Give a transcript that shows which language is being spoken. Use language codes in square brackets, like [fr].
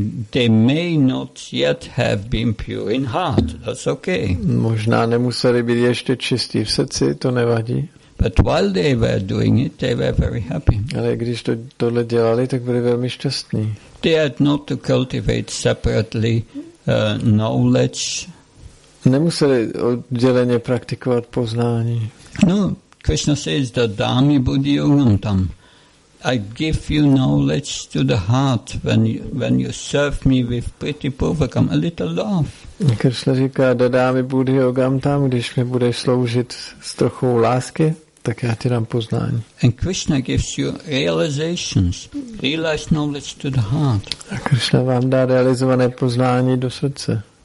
[en] They may not yet have been pure in heart. That's okay. [cs] Možná nemuseli být ještě čistí v srdci, to nevadí. [en] But while they were doing it, they were very happy. [cs] Ale když tohle dělali, tak byli velmi šťastní. [en] They had not to cultivate separately knowledge. [cs] Nemuseli odděleně praktikovat poznání. [en] No, Krishna says that [sa] dhammi buddhi yugantam. [en] I give you knowledge to the heart when you serve me with pretty purvakam, a little love. [cs] Krishna říká, [sa] dadá mi buddhi yogam tam, [cs] když mi budeš sloužit s trochou lásky, tak já ti dám poznání. [en] And Krishna gives you realizations, realized knowledge to the heart. [cs] A Krishna vám dá realizované poznání do srdce.